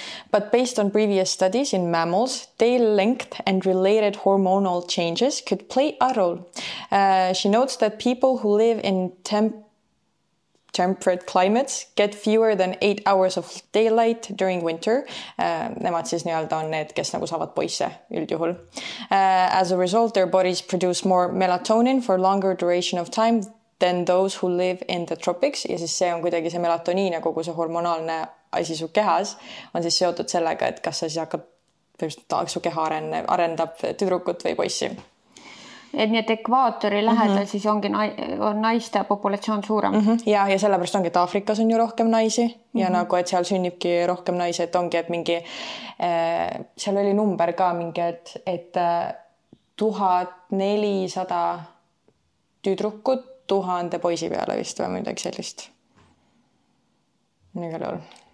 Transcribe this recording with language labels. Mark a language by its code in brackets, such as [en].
[en] But based on previous studies in mammals, tail length and related hormonal changes could play a role. She notes that people who live in temperate climates get fewer than 8 hours of daylight during winter. [et] Nemad siis nii-öelda on need, kes nagu saavad poisse üldjuhul. [en] As a result, their bodies produce more melatonin for longer duration of time than those who live in the tropics. [et] Ja siis see on kuidagi see melatoniin ja kogu see hormonaalne asi su kehas on siis seotud sellega, et kas sa siis hakkab tahaks su keha arendab tüdrukut või poissi. Et nii, et ekvaatori lähedal siis ongi on naiste populatsioon suurem. Ja sellepärast ongi, et Aafrikas on ju rohkem naisi ja nagu, et seal sünnibki rohkem naisi, et ongi, et mingi, seal oli number ka mingi, et 1400 tüdrukut 1000 poisi peale vist või midagi sellist. Nii küll olen.